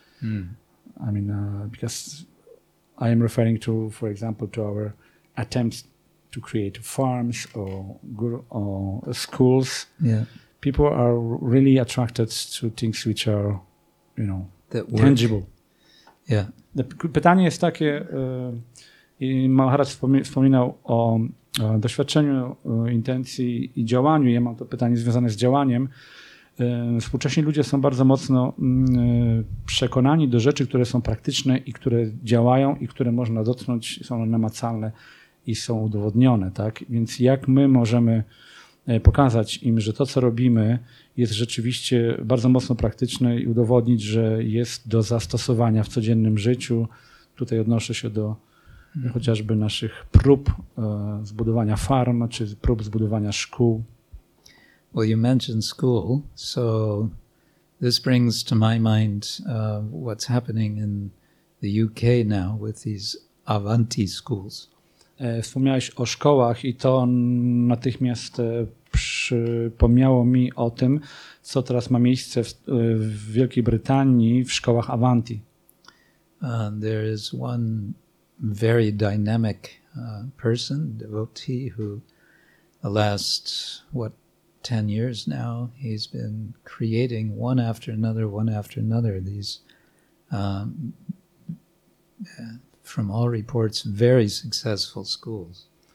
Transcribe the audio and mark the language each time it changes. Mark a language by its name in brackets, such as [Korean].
[English] Mm. I mean, because I am referring to, for example, to our attempts to create farms or schools. Yeah, people are really attracted to things which are, you know, that tangible. Yeah. [Polish] Pytanie jest takie, i Maharaj wspominał o doświadczeniu intencji i działaniu. Ja mam to pytanie związane z działaniem. Współcześni ludzie są bardzo mocno przekonani do rzeczy, które są praktyczne i które działają i które można dotknąć, są one namacalne i są udowodnione. Tak? Więc jak my możemy pokazać im, że to, co robimy, jest rzeczywiście bardzo mocno praktyczne i udowodnić, że jest do zastosowania w codziennym życiu. Tutaj odnoszę się do chociażby naszych prób zbudowania farm czy prób zbudowania szkół. [English] Well, you mentioned school, so this brings to my mind what's happening in the UK now with these Avanti schools. [Polish] Wspomniałeś o szkołach i to natychmiast przypomniało mi o tym, co teraz ma miejsce w Wielkiej Brytanii w szkołach Avanti. [English] There is one very dynamic person, devotee, who the last, 10 years now, he's been creating one after another, these, from all reports, very successful schools.